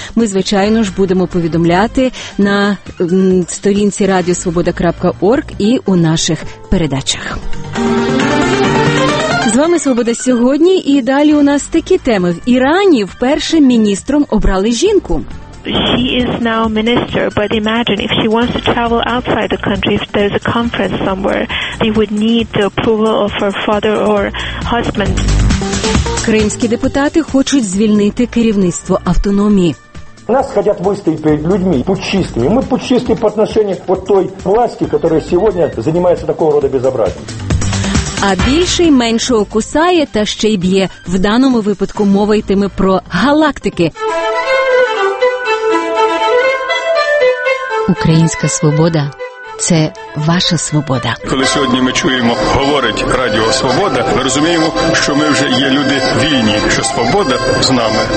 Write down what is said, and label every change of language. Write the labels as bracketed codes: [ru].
[uk] Ми, звичайно ж, будемо повідомляти на сторінці radiosvoboda.org і у наших передачах. З вами «Свобода сьогодні» і далі у нас такі теми. В Ірані першим міністром обрали жінку. [en] She is now minister, but imagine if she wants to travel outside the country, if there's a conference somewhere, they would need the approval of her father or husband. [uk] Кримські депутати хочуть звільнити керівництво автономії. [ru] Нас хотят выставить перед людьми путчистыми. Мы путчисты по отношению вот той власти, которая сегодня занимается такого рода безобразием. [uk] А більший меншого кусає та ще й б'є. В даному випадку мова йтиме про галактики. Українська свобода – це ваша свобода. Коли сьогодні ми чуємо, говорить Радіо Свобода, ми розуміємо, що ми вже є люди вільні, що свобода з нами.